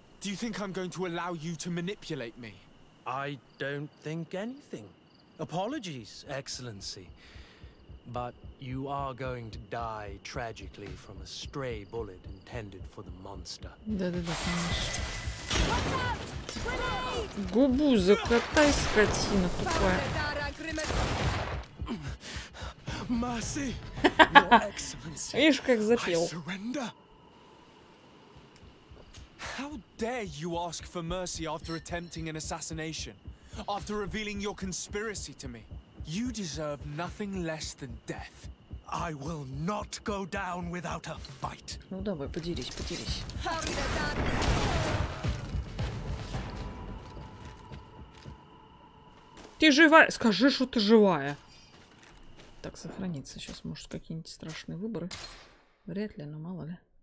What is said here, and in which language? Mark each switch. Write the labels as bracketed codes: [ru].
[en] Do you think I'm going to allow you to manipulate me? I don't think anything. Apologies, Excellency. But you are going to die tragically from a stray bullet intended for the monster. [ru] Да-да-да, конечно. Губу закатай, скотина тупая. [en] Mercy, Your Excellency. [ru] Видишь, как запел. [en] I surrender. How dare you ask for mercy after attempting an assassination? After revealing your conspiracy to me? You deserve nothing less than death. I will not go down without a fight. [ru] Ну давай, подерись, подерись. Ты живая? Скажи, что ты живая. Так, сохранится. Сейчас, может, какие-нибудь страшные выборы. Вряд ли, но мало ли.